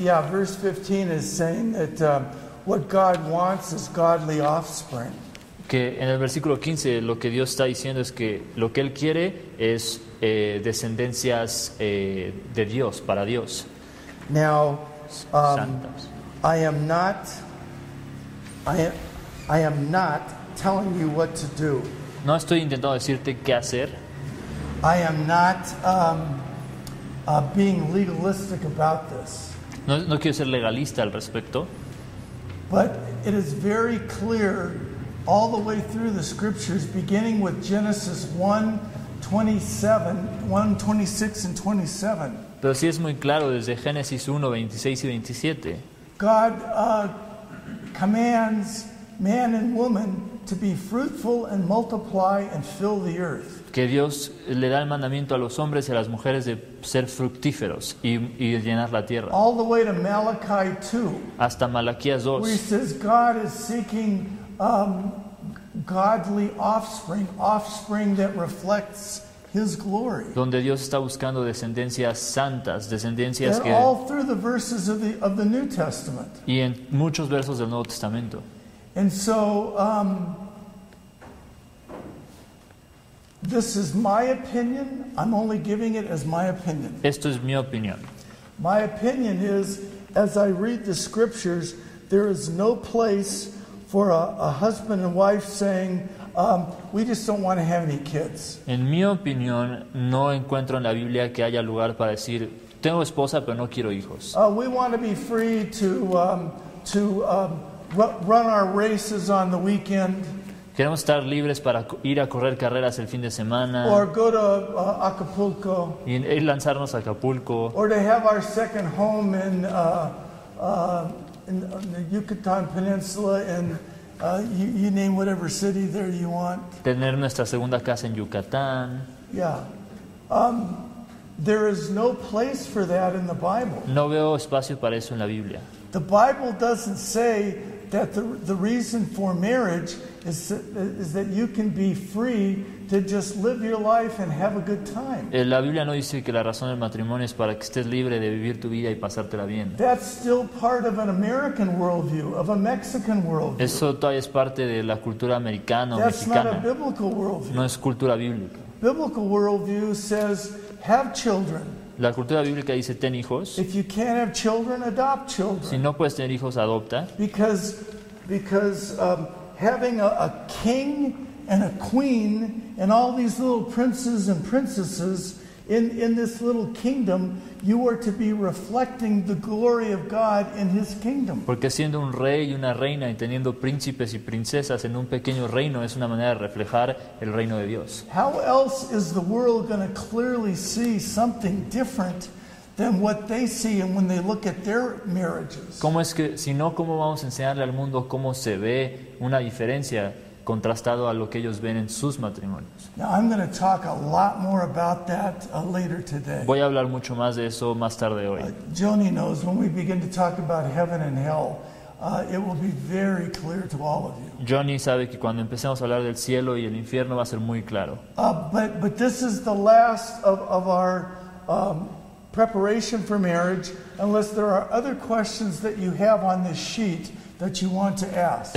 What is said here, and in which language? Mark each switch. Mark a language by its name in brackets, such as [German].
[English] Verse 15 is saying that what God wants is godly offspring. [Spanish] Que en el versículo 15 lo que Dios está diciendo es que lo que Él quiere es descendencias de Dios, para Dios. [English] Now, [Spanish] santos. [English] I am not telling you what to do. [Spanish] No estoy intentando decirte qué hacer. [English] I am not being legalistic about this. [Spanish] No quiero ser legalista al respecto. [English] But it is very clear all the way through the scriptures, beginning with Genesis 1:26 and 27. [Spanish] Pero sí es muy claro desde Génesis 1:26 y 27. [English] God commands man and woman to be fruitful and multiply and fill the earth. [Spanish] Que Dios le da el mandamiento a los hombres y a las mujeres de ser fructíferos y llenar la tierra. [English] All the way to Malachi 2. [Spanish] Hasta Malaquías 2. [English] Where he says God is seeking godly offspring that reflects His glory. [Spanish] Donde Dios está buscando descendencias santas, descendencias que [English] all through the verses of the New Testament. [Spanish] Y en muchos versos del Nuevo Testamento. [English] And so this is my opinion. I'm only giving it as my opinion. [Spanish] Esto es mi opinión. [English] My opinion is, as I read the scriptures, there is no place for a husband and wife saying, we just don't want to have any kids. [Spanish] En mi opinión, no encuentro en la Biblia que haya lugar para decir, tengo esposa, pero no quiero hijos. [English] We want to be free to run our races on the weekend. [Spanish] Queremos estar libres para ir a correr carreras el fin de semana. [English] Or go to Acapulco. [Spanish] Y lanzarnos a Acapulco. [English] Or to have our second home in the Yucatan Peninsula and you name whatever city there you want. [Spanish] Tener nuestra segunda casa en Yucatán. [English] Yeah. There is no place for that in the Bible. [Spanish] No veo espacio para eso en la Biblia. [English] The Bible doesn't say that the reason for marriage is that you can be free to just live your life and have a good time. [Spanish] La Biblia no dice que la razón del matrimonio es para que estés libre de vivir tu vida y pasártela bien. [English] That's still part of an American worldview, of a Mexican worldview. [Spanish] Eso todavía es parte de la cultura americana o mexicana. [English] That's not a biblical worldview. [Spanish] No es cultura bíblica. [English] Biblical worldview says have children. [Spanish] La cultura bíblica dice ten hijos. [English] If you can't have children, adopt children. [Spanish] Si no puedes tener hijos, adopta. [English] Because because having a king and a queen and all these little princes and princesses in this little kingdom, you are to be reflecting the glory of God in His kingdom. [Spanish] Porque siendo un rey y una reina y teniendo príncipes y princesas en un pequeño reino es una manera de reflejar el reino de Dios. [English] How else is the world going to clearly see something different than what they see and when they look at their marriages? [Spanish] ¿Cómo es que, si no, cómo vamos a enseñarle al mundo cómo se ve una diferencia contrastado a lo que ellos ven en sus matrimonios? [English] Now, I'm going to talk a lot more about that later today. [Spanish] Voy a hablar mucho más de eso más tarde hoy. [English] Joni knows when we begin to talk about heaven and hell, it will be very clear to all of you. [Spanish] Joni sabe que cuando empecemos a hablar del cielo y el infierno va a ser muy claro. [English] But this is the last of our preparation for marriage, unless there are other questions that you have on this sheet that you want to ask.